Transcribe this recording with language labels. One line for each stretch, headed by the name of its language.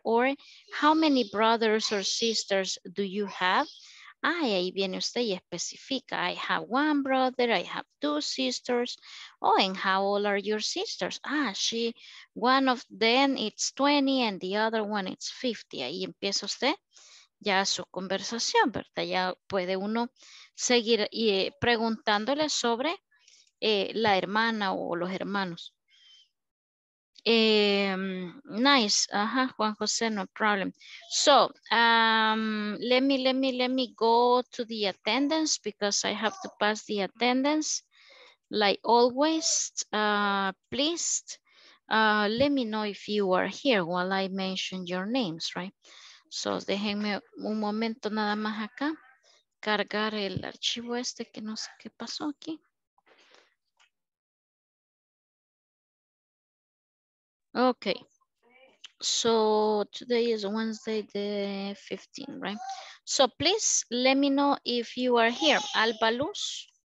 English: Or how many brothers or sisters do you have?
Spanish: Ah, y ahí viene usted y especifica,
English: I have one brother, I have two sisters. Oh, and how old are your sisters? Ah, she, one of them it's 20 and the other one it's 50.
Spanish: Ahí empieza usted ya su conversación, ¿verdad? Ya puede uno seguir preguntándole sobre la hermana o los hermanos.
English: Nice, ajá, Juan José, no problem. So, let me go to the attendance because I have to pass the attendance like always. Please let me know if you are here while I mention your names, right?
Spanish: So, déjenme un momento nada más acá cargar el archivo este que no sé qué pasó aquí.
English: Okay, so today is Wednesday the 15th, right? So please let me know if you are here. Alba Luz?